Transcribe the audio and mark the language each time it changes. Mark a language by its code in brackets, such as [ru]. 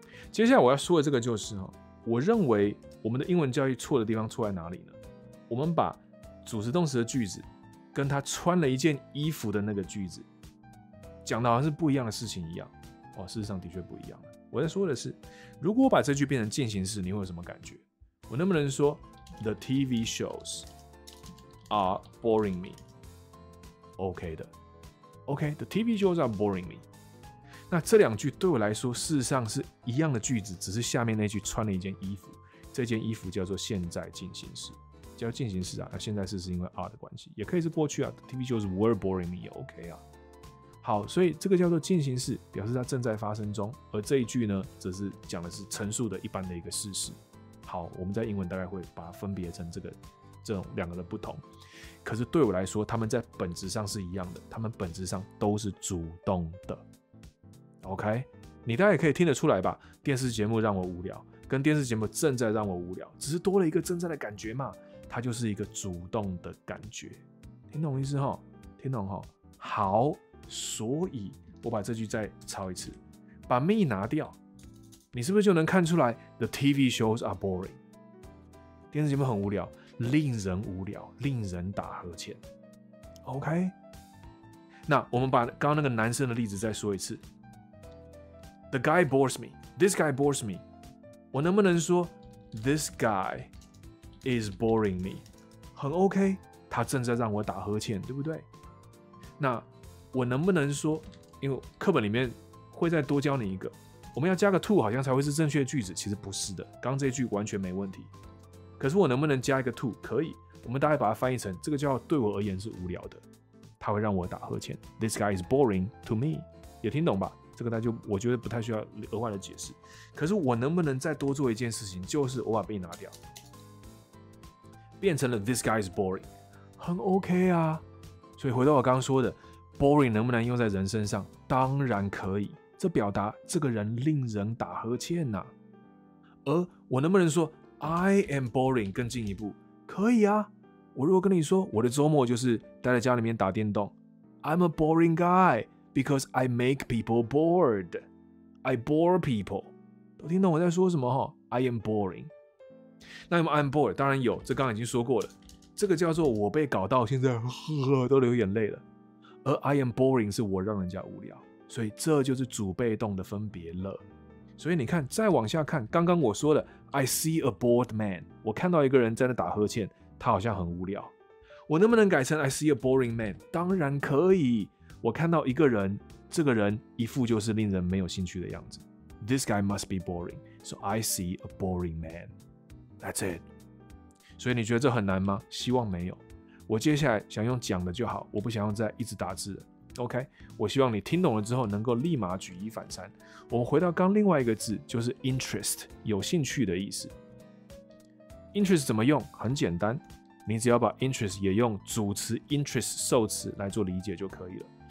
[zh] 接下来我要说的这个就是哈，我认为我们的英文教育错的地方错在哪里呢？我们把主词动词的句子跟他穿了一件衣服的那个句子讲的好像是不一样的事情一样。哦，事实上的确不一样。我在说的是，如果我把这句变成进行式，你会有什么感觉？我能不能说 [en] The TV shows are boring me? OK 的。OK, The TV shows are boring me。 [zh] 那这两句对我来说事实上是一样的句子，只是下面那句穿了一件衣服，这件衣服叫做现在进行式，叫进行式啊。那现在式是因为 are 的关系，也可以是过去啊。 [en] The TV shows were boring me, OK 啊。 [zh] 好，所以这个叫做进行式，表示它正在发生中，而这一句呢，则是讲的是陈述的一般的一个事实。好，我们在英文大概会把它分别成这种两个的不同，可是对我来说，他们在本质上是一样的，他们本质上都是主动的。 OK, 你大概可以听得出来吧？电视节目让我无聊，跟电视节目正在让我无聊，只是多了一个正在的感觉嘛，它就是一个主动的感觉，听懂意思哈？听懂哈？好，所以我把这句再抄一次，把 me 拿掉，你是不是就能看出来 ？ [en] The TV shows are boring, [zh] 电视节目很无聊，令人无聊，令人打呵欠。 OK, 那我们把刚刚那个男生的例子再说一次。 [en] The guy bores me. This guy bores me. [zh] 我能不能说 [en] This guy is boring me? [zh] 很 OK, 他正在让我打呵欠，对不对？那我能不能说，因为课本里面会再多教你一个，我们要加个 to 好像才会是正确的句子，其实不是的，刚这句完全没问题。可是我能不能加一个 to? 可以，我们大概把它翻译成，这个叫对我而言是无聊的，他会让我打呵欠。 [en] This guy is boring to me. [zh] 也听懂吧？这个那就我觉得不太需要额外的解释，可是我能不能再多做一件事情，就是我把 be 拿掉，变成了 [en] this guy is boring, [zh] 很 OK 啊。所以回到我刚刚说的 boring 能不能用在人身上，当然可以，这表达这个人令人打呵欠啊。而我能不能说 [en] I am boring [zh] 更进一步，可以啊。我如果跟你说我的周末就是待在家里面打电动， [en] I'm a boring guyBecause I make people bored, I bore people. [zh] 都听懂我在说什么？ [en] I am boring. [zh] 那有没有 [en] I'm bored? [zh] 当然有，这刚刚已经说过了。这个叫做我被搞到现在都流眼泪了。而 [en] I am boring [zh] 是我让人家无聊，所以这就是主被动的分别了。所以你看，再往下看，刚刚我说的 [en] I see a bored man, [zh] 我看到一个人在那打呵欠，他好像很无聊。我能不能改成 [en] I see a boring man? [zh] 当然可以。我看到一个人，这个人一副就是令人没有兴趣的样子。 [en] This guy must be boring, so I see a boring man. That's it. [zh] 所以你觉得这很难吗？希望没有。我接下来想用讲的就好，我不想用再一直打字了。OK, 我希望你听懂了之后能够立马举一反三。我们回到刚另外一个字，就是 interest, 有兴趣的意思。Interest 怎么用？很简单，你只要把 interest 也用主词 interest 受词来做理解就可以了。